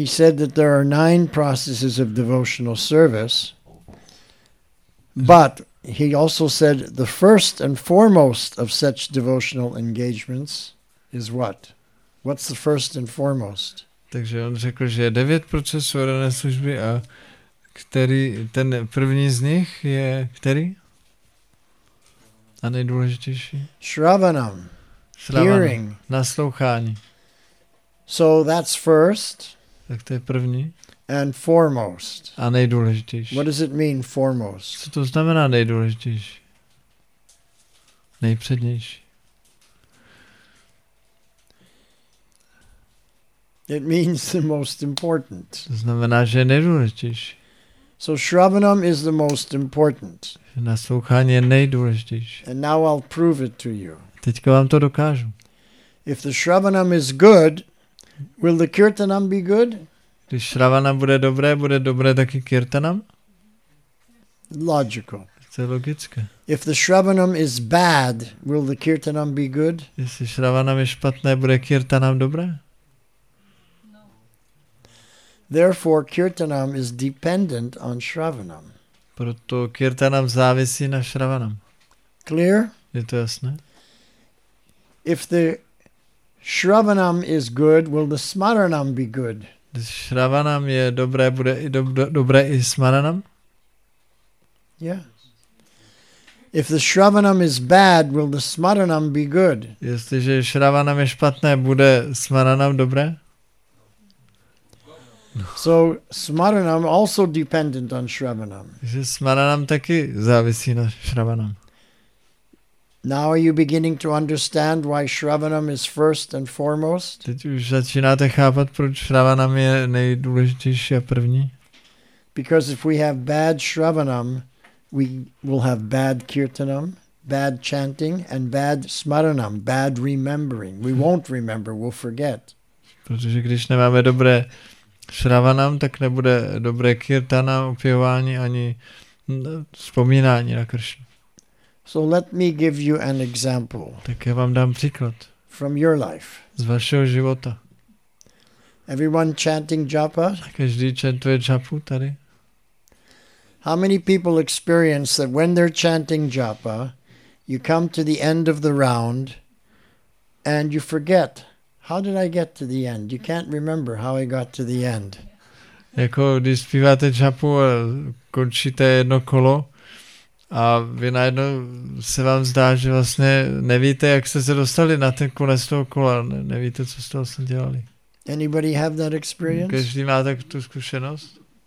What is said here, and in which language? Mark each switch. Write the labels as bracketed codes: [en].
[en] He said that there are 9 processes of devotional service, but he also said the first and foremost of such devotional engagements is what? What's the first and foremost? [cs] Takže on řekl, že je 9 procesů dané služby a který ten první z nich je který? A nejdůležitější? Shravanam. [en] Hearing. [cs] Naslouchání. [en] So that's first. [cs] Tak to je první. [en] And foremost. [cs] A nejdůležitější. [en] What does it mean foremost? [cs] Co to znamená nejdůležitější? Nejpřednější. [en] It means the most important. [cs] To znamená, že je nejdůležitější. [en] So shravanam is the most important. [cs] Naslouchání je nejdůležitější. [en] And now I'll prove it to you. [cs] Teďka vám to dokážu. [en] If the shravanam is good, will the kirtanam be good? [cs] Když shravana bude dobré taky kirtanam? [en] Logical. [cs] To je logické. [en] If the shravanam is bad, will the kirtanam be good? [cs] Jestli shravanam je špatné, bude kirtanam dobré? [en] Therefore, kirtanam is dependent on shravanam. [cs] Proto kirtanam závisí na shravanam. [en] Clear? [cs] Je to jasné? [en] If the shravanam is good, will the smaranam be good? [cs] Když shravanam je dobré, bude i dobré i smaranam? [en] Yeah. If the shravanam is bad, will the smaranam be good? [cs] Jestliže shravanam je špatné, bude smaranam dobré? [en] So smaranam also dependent on shravanam. [cs] Že smaranam taky závisí na shravanam. [en] Now are you beginning to understand why shravanam is first and foremost? [cs] Teď už začínáte chápat, proč shravanam je nejdůležitější a první? [en] Because if we have bad shravanam, we will have bad kirtanam, bad chanting and bad smaranam, bad remembering. We won't remember, we'll forget. [cs] Protože když nemáme dobré shravanam, tak nebude dobré kirtana, opěvání ani vzpomínání na Kršnu. [en] So let me give you an example. [cs] Tak já vám dám příklad. [en] From your life. [cs] Z vašeho života. [en] Everyone chanting japa? [cs] Každý chantuje japu tady. [en] How many people experience that when they're chanting japa, you come to the end of the round and you forget, how did I get to the end? You can't remember how I got to the end. [cs] Jako když zpíváte japu a končíte jedno kolo a vy najednou se vám zdá, že vlastně nevíte, jak jste se dostali na ten konec toho kola, nevíte, co jste vlastně dělali. [en] Anybody have that experience? [cs] Každý má tak tu zkušenost?